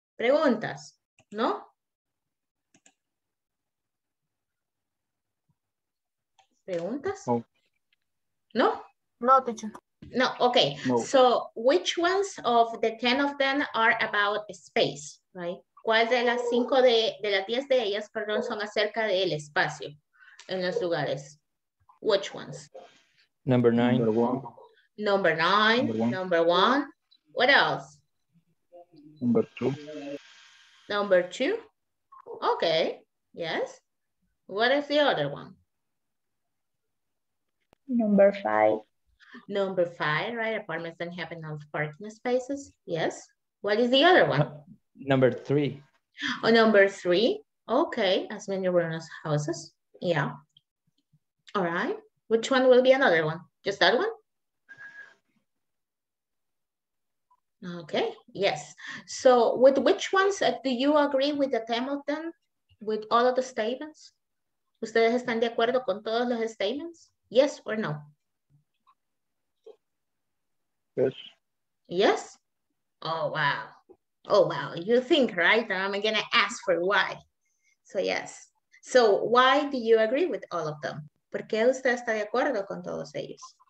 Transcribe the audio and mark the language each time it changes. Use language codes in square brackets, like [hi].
[es] Preguntas, ¿no? Preguntas? No. No? [en] No, teacher. No, okay. No. So, which ones of the 10 of them are about space, right? [es] ¿Cuál de las 5 de las 10 de ellas, perdón, son acerca del espacio en los lugares? [en] Which ones? Number 9. Number 1. Number 9. Number 1. What else? Number 2. Number 2. Okay. Yes. What is the other one? Number 5. Number 5, right? Apartments don't have enough parking spaces. Yes. What is the other one? Number 3. Oh, number 3. Okay. As many rooms houses. Yeah. All right. Which one will be another one? Just that one? Okay. Yes. So with which ones do you agree with the 10 of them? With all of the statements? [es] ¿Ustedes están de acuerdo con todos los statements? [en] Yes or no? Yes. Yes? Oh, wow. Oh, wow. You think, right? I'm going to ask for why. So, yes. So, why do you agree with all of them? [es] ¿Por qué usted está de acuerdo con todos ellos?